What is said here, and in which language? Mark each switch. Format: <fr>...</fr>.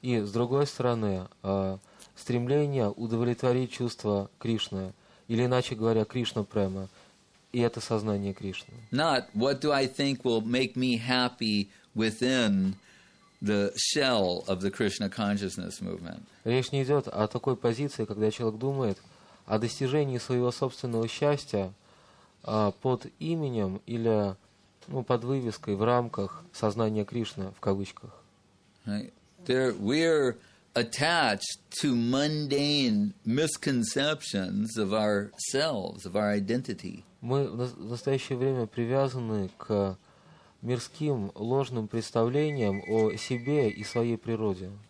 <ru>И с другой стороны, стремление удовлетворить чувство Кришны, или иначе говоря, Кришна према, и это сознание Кришны.</ru> <en>Not what do I think will make me happy within the shell of the Krishna consciousness movement.</en> <ru>Речь не идет о такой позиции, когда человек думает о достижении своего собственного счастья под именем или под вывеской в рамках сознания Кришны в кавычках.</ru> <en>We're attached to mundane misconceptions of ourselves, of our identity.</en> <ru>Мы в настоящее время привязаны к мирским ложным представлениям о себе и своей природе.</ru>